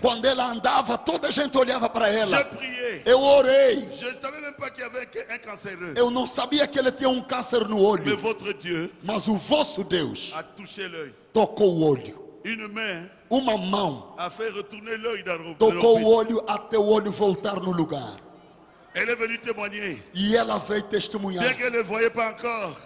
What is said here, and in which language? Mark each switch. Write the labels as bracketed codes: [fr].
[pt] Quando ela andava, toda a gente olhava para ela. [fr] J'ai prié. [pt] Eu orei. [fr] Je ne savais même pas qu'il y avait un cancéreux. [pt] Eu não sabia que ele tinha um câncer no olho. [fr] Mais votre Dieu, [pt] mas o vosso Deus, [fr] a touché l'œil. [pt] Tocou o olho. [fr] Une main, [pt] uma mão, [fr] a fait retourner l'œil dans l'orbite. [pt] Tocou o olho até o olho voltar no lugar. [fr] Elle est venue témoigner. [pt] E ela veio testemunhar. [fr] Bien qu'elle ne voyait pas encore.